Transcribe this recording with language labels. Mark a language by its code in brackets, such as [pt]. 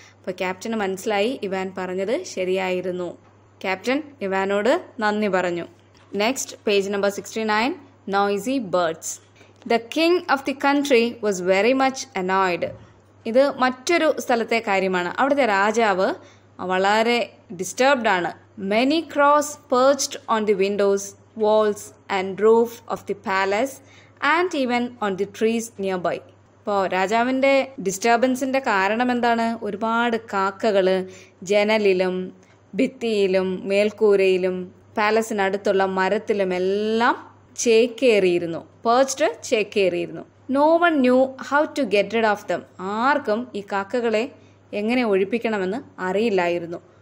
[ml] അപ്പോൾ ക്യാപ്റ്റന് മനസ്സിലായി ഇവാൻ പറഞ്ഞത് ശരിയായിരുന്നു. ക്യാപ്റ്റൻ ഇവാനോട് നന്ദി പറഞ്ഞു. [en] Next page number 69, noisy birds. The king of the country was very much annoyed. [ml] ഇത് മറ്റൊരു സ്ഥലത്തെ കാര്യമാണ്. അവിടുത്തെ രാജാവ് വളരെ ഡിസ്റ്റർബ്ഡ് ആണ്. [en] Many crows perched on the windows, walls and roof of the palace and even on the trees nearby. [ml] ഇപ്പോൾ രാജാവിൻ്റെ ഡിസ്റ്റർബൻസിൻ്റെ കാരണം എന്താണ്? ഒരുപാട് കാക്കകൾ ജനലിലും ഭിത്തിയിലും മേൽക്കൂരയിലും പാലസിനടുത്തുള്ള മരത്തിലുമെല്ലാം ചേക്കേറിയിരുന്നു, പേർച്ച്ഡ് ചേക്കേറിയിരുന്നു. [en] No one knew how to get rid of them. [ml] ആർക്കും ഈ കാക്കകളെ എങ്ങനെ ഒഴിപ്പിക്കണമെന്ന് അറിയില്ലായിരുന്നു.